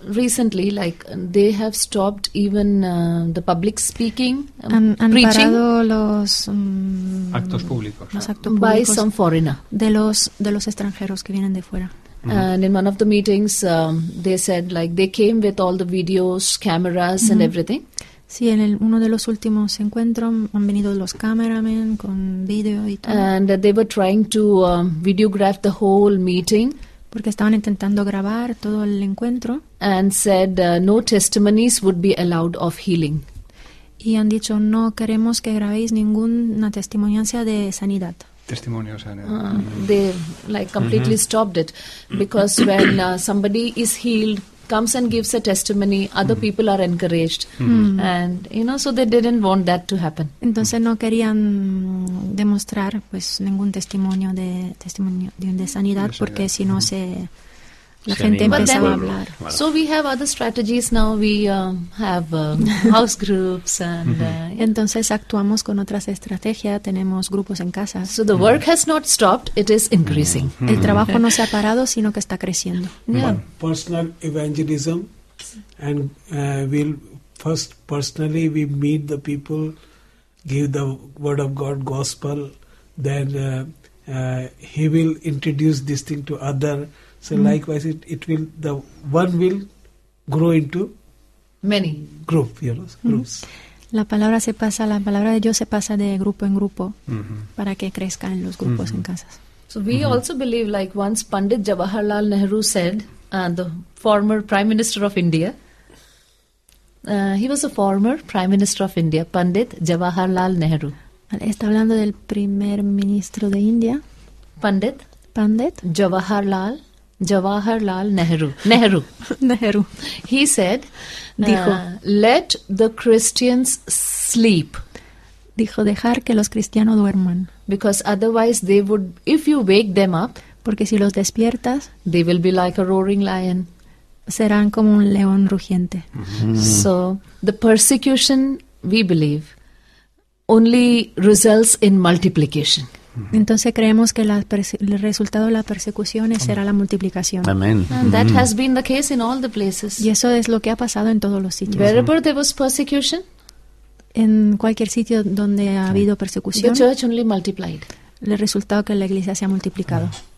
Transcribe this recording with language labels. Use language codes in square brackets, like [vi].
[en] recently, like they have stopped even the public speaking, [es] han [en] preaching, [es] parado los actos públicos, los actos públicos, [en] by some foreigner, [es] de los extranjeros que vienen de fuera. [en] And in one of the meetings, they said like they came with all the videos, cameras, and everything. [es] Sí, en uno de los últimos encuentros han venido los cameramen con video y todo. [en] And they were trying to videograph the whole meeting. [es] Porque estaban intentando grabar todo el encuentro. [en] And said no testimonies would be allowed of healing. [es] Y han dicho no queremos que grabéis ninguna testimonianza de sanidad. Testimonio, [en] They like completely stopped it, because when somebody is healed, comes and gives a testimony, other people are encouraged, and you know, so they didn't want that to happen. [es] Entonces no querían demostrar pues ningún testimonio de sanidad, porque si no la gente empezaba a hablar. [en] So we have other strategies now. We have house groups, and [es] entonces actuamos con otras estrategias. Tenemos grupos en casa. [en] So the work has not stopped; it is increasing. [es] El trabajo no se ha parado, sino que está creciendo. [en] Personal evangelism, and we'll first personally we meet the people, give the word of God, gospel. Then he will introduce this thing to other. So likewise, it will, the one will grow into many group, you know, groups. [es] La palabra se pasa, la palabra de Dios se pasa de grupo en grupo para que crezcan los grupos en casas. [en] So we also believe, like once Pandit Jawaharlal Nehru said, the former Prime Minister of India. He was a former Prime Minister of India, Pandit Jawaharlal Nehru. [es] Está hablando del primer ministro de India. [en] Pandit Jawaharlal. Jawaharlal Nehru. Nehru. He said, [es] dijo, [en] let the Christians sleep. [es] Dijo, dejar que los cristianos duerman. [en] Because otherwise they would, if you wake them up, [es] porque si los despiertas, [en] they will be like a roaring lion. [es] Serán como un león rugiente. [en] So, the persecution, we believe, only results in multiplication. [es] Entonces creemos que el resultado de la persecución será la multiplicación. [en] Amen. And that has been the case in all the places. [es] Y eso es lo que ha pasado en todos los sitios. [en] Wherever there was persecution, [es] en cualquier sitio donde ha habido persecución, [en] the church only multiplied. [es] El resultado es que la iglesia se ha multiplicado.